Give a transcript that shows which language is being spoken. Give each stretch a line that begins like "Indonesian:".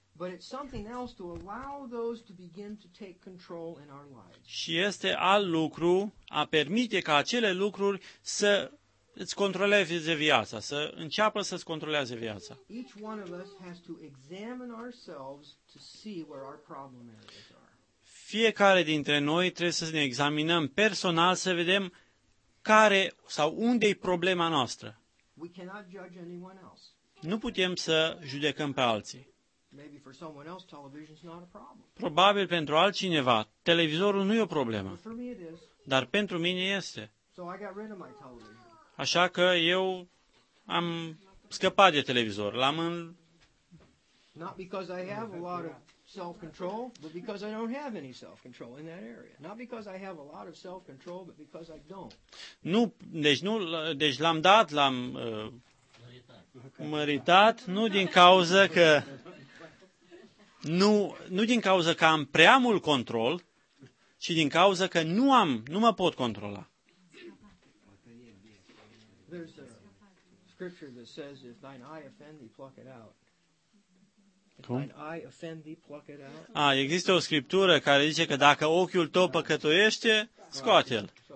English: But it's something else to allow those to begin to take control in our lives.
Romanian: Și este alt lucru a permite ca acele lucruri să îți controleze viața, să înceapă să îți controleze viața.
English: Each one of us has to examine ourselves to see where our problem areas are.
Romanian: Fiecare dintre noi trebuie să ne examinăm personal să vedem care sau unde e problema noastră.
English: We cannot judge anyone else.
Romanian: Nu putem să judecăm pe alții.
English: Maybe for someone else television's not a problem.
Romanian: Probabil pentru altcineva televizorul nu e o problemă. Dar pentru mine este.
English: So I got rid of my television.
Romanian: Așa că eu am scăpat de televizor.
English: Not because I have a lot of self-control, but because I don't have any self-control in that area. Not because I have a lot of self-control, but because I don't.
Romanian: Nu, deci l-am măritat, nu din cauză că Nu din cauza că am prea mult control, ci din cauza că nu mă pot controla.
English: There's a scripture that says if thine eye offend thee, pluck it out.
Romanian: Cum?
English: If thine eye offend thee, pluck it out.
Romanian: Ah, există o scriptură care zice că dacă ochiul tău păcătuiește, scoate-l.